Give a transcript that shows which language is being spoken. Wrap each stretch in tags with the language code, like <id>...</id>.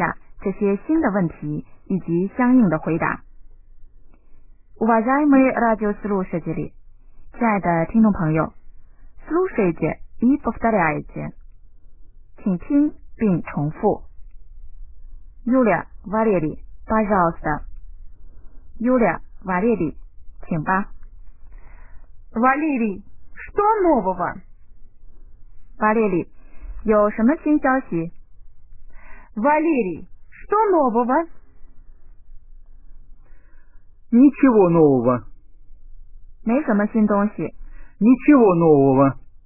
<zh>我想请你们为我们的听众朋友再重复一下这些新的问题以及相应的回答。</zh> <ru>Уважаемые радиослушатели,</ru> <zh>亲爱的听众朋友,</zh> <ru>слушайте и повторяйте.</ru> <zh>请听并重复。</zh> <ru>Юля, Валерий, пожалуйста. Юля, Валерий,</ru> <zh>请吧。</zh> <ru>Валерий, что нового?</ru> <zh>Валерий, 有什么新消息?</zh> <ru>Валерий, что нового? Ничего нового.</ru> <zh>没什么新东西?</zh> <ru>Ничего нового.</ru>